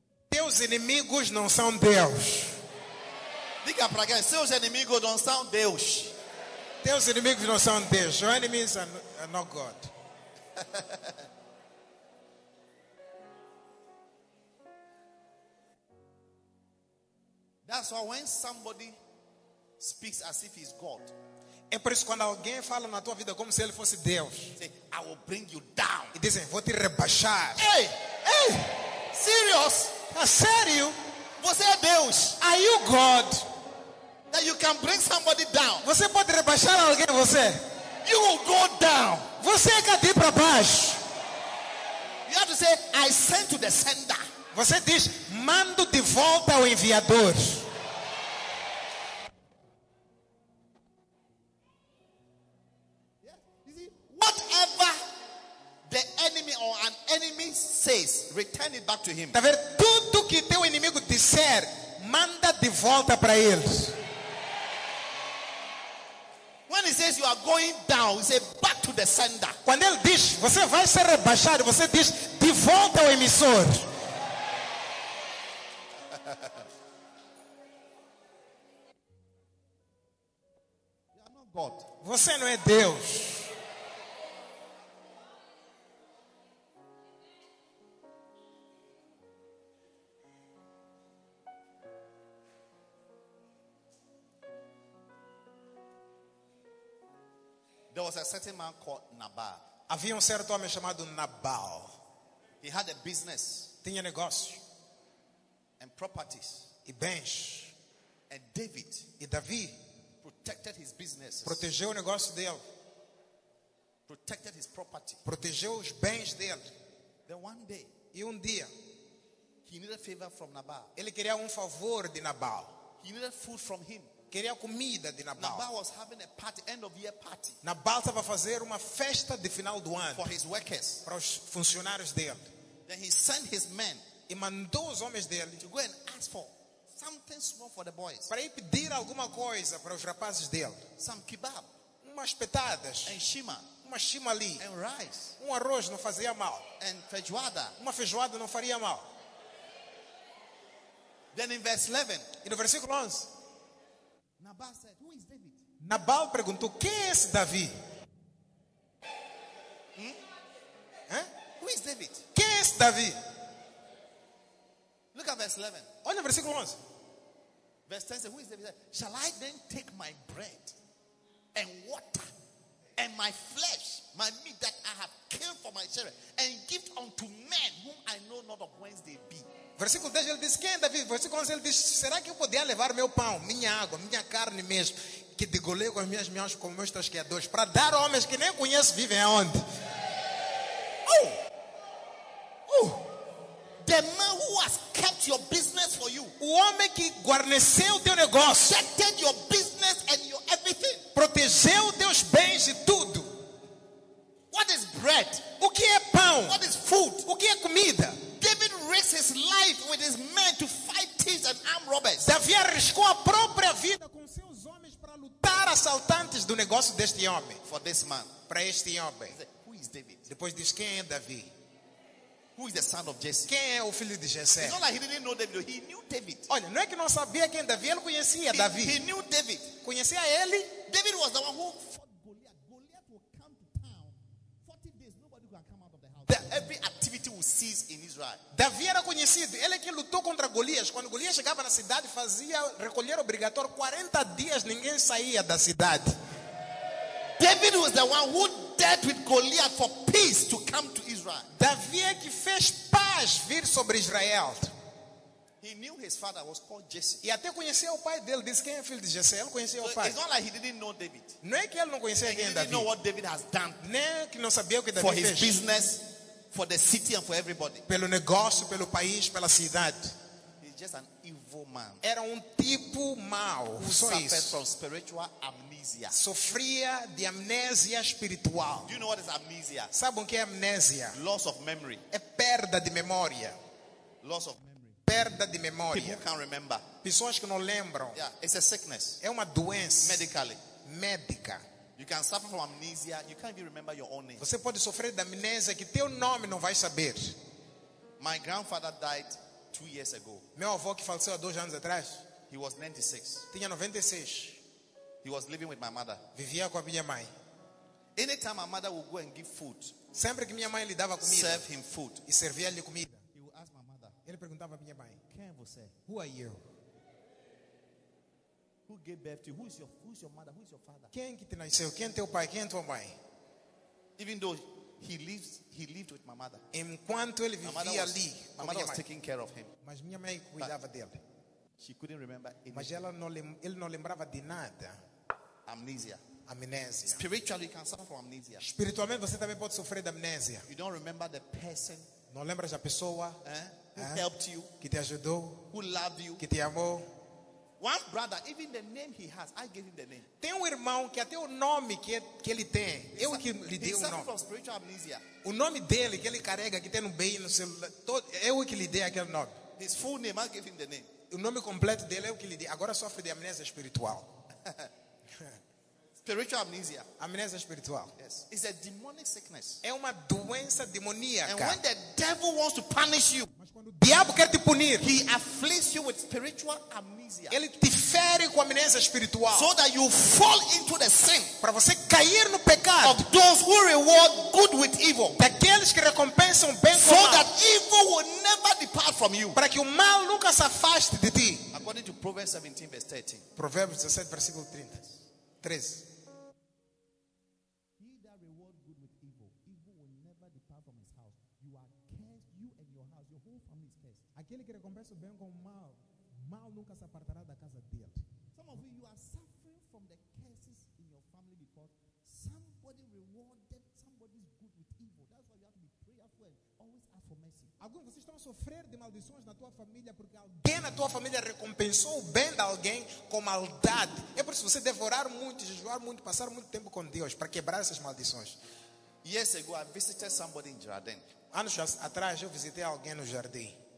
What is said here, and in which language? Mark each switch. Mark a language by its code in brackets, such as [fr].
[pt] Teus inimigos não são Deus. Diga para quem, seus inimigos não são Deus. Teus inimigos não são Deus. [en] Your enemies are not God. That's why when somebody speaks as if he's God. [pt] É por isso quando alguém fala na tua vida como se ele fosse Deus. [en] Say, I will bring you down. [pt] E dizem, vou te rebaixar. [en] Ei, ei, serious? [pt] A sério? Você é Deus? [en] Are you God? That you can bring somebody down. [pt] Você pode rebaixar alguém, você? [en] You will go down. [pt] Você é cadê para baixo? [en] You have to say, I send to the sender. [pt] Você diz, mando de volta ao enviador. [en] Yeah. You see, whatever the enemy or an enemy says, return it back to him. [pt] Tá vendo? Tudo que teu inimigo disser, manda de volta para eles. [en] When he says you are going down, he says back to the sender. [pt] Quando ele diz, você vai ser rebaixado, você diz, de volta ao emissor. [en] You are not God. [pt] Você não é Deus. [en] There was a certain man called Nabal. [pt] Havia certo homem chamado Nabal. [en] He had a business. [pt] Tinha negócio. [en] And properties. [pt] E bens. [en] And David. [pt] E Davi. [en] Protected his business. [pt] Protegeu o negócio dele. [en] Protected his property. [pt] Protegeu os bens dele. [en] Then one day. [pt] E dia. [en] He needed a favor from Nabal. [pt] Ele queria favor de Nabal. [en] He needed food from him. [pt] Queria comida de Nabal. [en] Nabal was having a party, end of year party. [pt] Nabal estava a fazer uma festa de final do ano. [en] For his workers. [pt] Para os funcionários dele. [en] Then he sent his men. [pt] E mandou os homens dele. [en] To go and ask for something small for the boys. [pt] Para ir pedir alguma coisa para os rapazes dele. [en] Some kebab. [pt] Umas petadas. [en] And shima. [pt] Uma shima ali. [en] And rice. [pt] Arroz não fazia mal. [en] And feijoada. [pt] Uma feijoada não faria mal. [en] Then in verse 11. [pt] E no versículo 11. [en] Nabal said, "Who is David?" [pt] Nabal perguntou, "Quem é esse Davi?" [en] Who is David? [pt] Quem é esse Davi? [en] Look at verse 11. [pt] Olha o versículo 11. [en] Verse 10 says, "Who is David?" "Shall I then take my bread and water and my flesh, my meat that I have killed for my children, and give unto men whom I know not of whence they be?" [pt] Versículo 10, ele diz, quem é Davi? Versículo 11, ele diz, será que eu podia levar meu pão, minha água, minha carne mesmo, que degolei com as minhas mãos, com meus tosqueadores, para dar homens que nem conheço vivem aonde? [en] The man who has kept your business for you. [pt] O homem que guarneceu teu negócio. [en] Protected your business and your everything. [pt] Protegeu teus bens e tudo. [en] What is bread? [pt] O que é pão? [en] What is food? [pt] O que é comida? [en] David risked his life with his men to fight thieves and armed robbers. [pt] Davi arriscou a própria vida com seus homens para lutar assaltantes do negócio deste homem. [en] For this man. [pt] Para este homem. [en] Who is David? [pt] Depois diz, quem é Davi? [en] Who is the son of Jesse? [pt] Quem é o filho de Jesse? [en] It's not like he didn't know David. He knew David. [pt] Olha, não é que não sabia quem Davi, ele conhecia Davi. [en] He knew David. [pt] Conhecia ele. [en] David was the one who fought Goliath. Goliath will come to town. 40 days, nobody can come out of the house. Every activity will cease in Israel. [pt] Davi era conhecido. Ele é quem lutou contra Golias. Quando Golias chegava na cidade, fazia recolher obrigatório 40 dias, ninguém saía da cidade. [en] David was the one who dealt with Goliath for peace to come to Israel. [pt] Davi é que fez paz vir sobre Israel. [en] He knew his father was called Jesse. [pt] E até conhecia o pai dele. Disse, quem é filho de Jesse? Ele conhecia [en] so [pt] o pai. [en] It's not like he didn't know David. [pt] Não é que ele não conhecia quem [en] Davi. He didn't know what David has done. [pt] Não é que não sabia o que Davi [en] for [pt] fez. [en] For his business, for the city and for everybody. [pt] Pelo negócio, pelo país, pela cidade. [en] He's just an evil man. [pt] Era tipo mau. Só isso. [en] From spiritual amnesia. [pt] Sofria de amnésia espiritual. [en] Do you know what is amnesia? [pt] Sabe o que é amnésia? [en] Loss of memory. [pt] É perda de memória. [en] Loss of memory. [pt] Perda de memória. [en] People can't remember. [pt] Pessoas que não lembram. [en] Yeah, it's a sickness. [pt] É uma doença. [en] Medically. [pt] Médica. [en] You can suffer from amnesia. You can't even remember your own name. [pt] Você pode sofrer da amnésia que teu nome não vai saber. [en] My grandfather died 2 years ago. [pt] Meu avô que faleceu há 2 anos atrás. [en] He was 96. [pt] Tinha 96. [en] He was living with my mother. [pt] Vivia com a minha mãe. [en] Anytime my mother would go and give food. [pt] Sempre que minha mãe lhe dava comida. [en] Serve him food. [pt] E servia-lhe comida. [en] He would ask my mother. [pt] Ele perguntava à minha mãe. Quem é você? [en] Who are you? Who gave birth to you? Who is your mother? Who is your father? [pt] Quem que te nasceu? Quem é teu pai? Quem é tua mãe? [en] Even though he lived with my mother. [pt] Enquanto ele vivia ali, [en] my mother was taking care of him. [pt] Mas minha mãe cuidava dele. [en] She couldn't remember anything. [pt] Mas ele não lembrava de nada. [en] Amnesia. [pt] Amnésia. [en] Spiritually, you can suffer from amnesia. [pt] Espiritualmente, você também pode sofrer de amnésia. [en] You don't remember the person. [pt] Não lembra da pessoa? [en] Who helped you? [pt] Que te ajudou? [en] Who loved you? [pt] Que te amou? [en] One brother, even the name he has, I gave him the name. [pt] Tem irmão que até o nome que ele tem, eu que lhe dei o nome. [en] From spiritual amnesia. [pt] O nome dele que ele carrega, que tem no bem, no celular, eu que lhe dei aquele nome. [en] His full name, I gave him the name. [pt] O nome completo dele, eu que lhe dei. Agora sofre de amnésia espiritual. [en] Spiritual amnesia. [pt] Amnésia espiritual. [en] Yes. It's a demonic sickness. [pt] É uma doença demoníaca. [en] And when the devil wants to punish you, [pt] diabo quer te punir. [en] He afflicts you with spiritual amnesia. [pt] Ele te fere com amnésia espiritual. [en] So that you fall into the sin. [pt] Para você cair no pecado. [en] Of those who reward good with evil. [pt] Daqueles que recompensam bem com [en] so [pt] mal. [en] So that evil will never depart from you. [pt] Para que o mal nunca se afaste de ti. [en] According to Proverbs 17 verse 13. [pt] Provérbios 17 versículo 30. 3. [en] He that reward good with evil, evil will never depart from his house. You are cursed, you and your house, your whole family is cursed. [pt] Aquele que recompensa o bem com o mal, mal nunca se apartará da casa dele. [en] Some of you are suffering from the curses in your family because somebody rewarded somebody's good with evil. That's why you have to be prayerful and always ask for mercy. [pt] Alguns de vocês estão a sofrer de maldições na tua família porque alguém na tua família recompensou o bem de alguém com maldade. É por isso que você deve orar muito, jejuar muito, passar muito tempo com Deus para quebrar essas maldições. [en] Years ago, I visited somebody in Jardim. [pt] Anos atrás, eu visitei alguém no jardim.